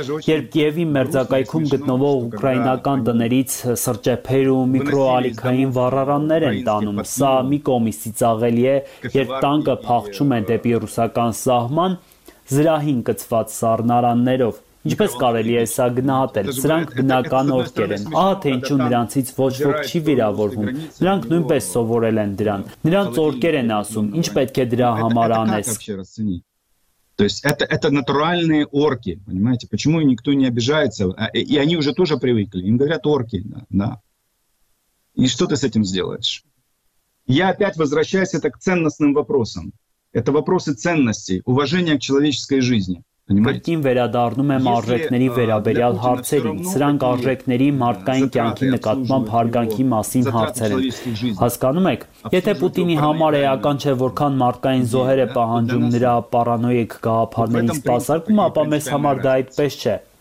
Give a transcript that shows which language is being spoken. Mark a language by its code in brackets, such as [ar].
[hy] երբ Կիևի մերձակայքում գտնվող ուկրաինական տներից սրճեփեր ու միկրոալիքային վառարաններ են տանում, սա մի կողմից ծիծաղելի է, երբ տանկը փախչում են դեպի ռուսական սահման զրահին կծված սառնարաններով, ինչպես կարելի է սա գնահատել, սրանք բնական օրկեր են, ահա թե ինչու նրանցից ոչ ոք չի վիրավորվում, նրանք նույնպես սովորել են դրան, նրանց օրկեր են ասում, ինչ պետք է դրա համար անես։ [ru] То есть это натуральные орки, понимаете, почему никто не обижается, и они уже тоже привыкли, им говорят орки, да. И что ты с этим сделаешь? Я опять возвращаюсь это к ценностным вопросам. Это вопросы ценностей, уважения к человеческой жизни. [hy] Կրկին վերադառնում եմ արժեքների վերաբերյալ հարցերին, սրանք արժեքների մարդկային կյանքի նկատմամբ հարգանքի մասին հարցեր են, հասկանում եք, եթե Պուտինի համար էական չէ, որքան մարդկային զոհեր է պահանջում նրա պարանոյեք գաղափարների սպասարկում, ապա մեզ համար դա այդպես չէ,